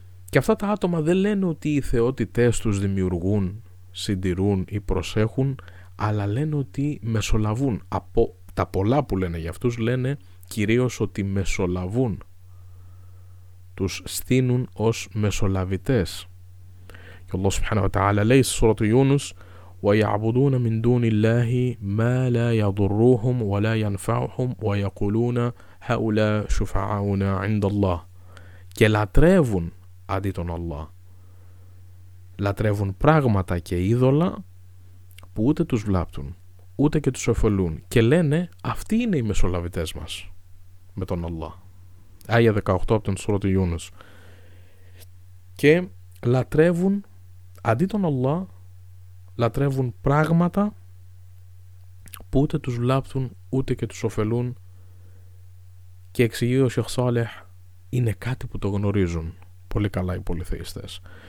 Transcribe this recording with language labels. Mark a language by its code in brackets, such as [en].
[el] Και αυτά τα άτομα δεν λένε ότι οι θεότητές τους δημιουργούν, συντηρούν ή προσέχουν, αλλά λένε ότι μεσολαβούν. Από τα πολλά που λένε για αυτούς, λένε κυρίως ότι μεσολαβούν. Τους στείνουν ως μεσολαβητές. Και ο Αλλάχ Σουμπχάνα Βατα'άλα λέει στη Σούρα του Ιούνους: [ar] وَيَعْبُدُونَ مِنْ دُونِ اللَّهِ مَا لَا يَضُرُّهُمْ وَلَا يَنْفَعُهُمْ وَيَقُولُونَ هَؤُلَاءِ شُفَعَاؤُنَا عِنْدَ اللَّهِ. [el] Και λατρεύουν αντί τον Αλλά. Λατρεύουν πράγματα και είδωλα που ούτε τους βλάπτουν, ούτε και τους ωφελούν. Και λένε: αυτοί είναι οι μεσολαβητές μας με τον Αλλά. Άγια 18 από την Σούρα του Ιούνους. Και λατρεύουν αντί τον Αλλά, λατρεύουν πράγματα που ούτε τους βλάπτουν ούτε και τους ωφελούν, και εξηγεί ο Σέιχ Σάλιχ, είναι κάτι που το γνωρίζουν πολύ καλά οι πολυθεϊστές.